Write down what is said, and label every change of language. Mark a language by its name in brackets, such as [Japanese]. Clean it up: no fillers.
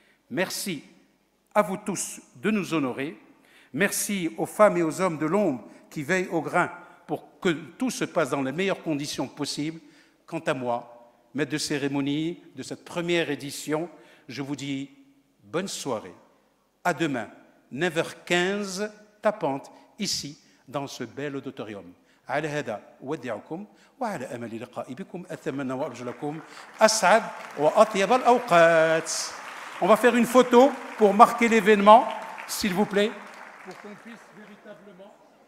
[French] Merci à vous tous de nous honorer. Merci aux femmes et aux hommes de l'ombre qui veillent au grain pour que tout se passe dans les meilleures conditions possibles. Quant à moi, maître de cérémonie de cette première édition, je vous dis bonne soirée. À demain, 9h15, tapante, ici, dans ce bel auditorium. [Arabic] على هذا أودعكم وعلى أمل لقاء بكم أتمنى وأرجو لكم أسعد وأطيب الأوقات. [French] On va faire une photo pour marquer l'événement, s'il vous plaît. Pour qu'on puisse véritablement...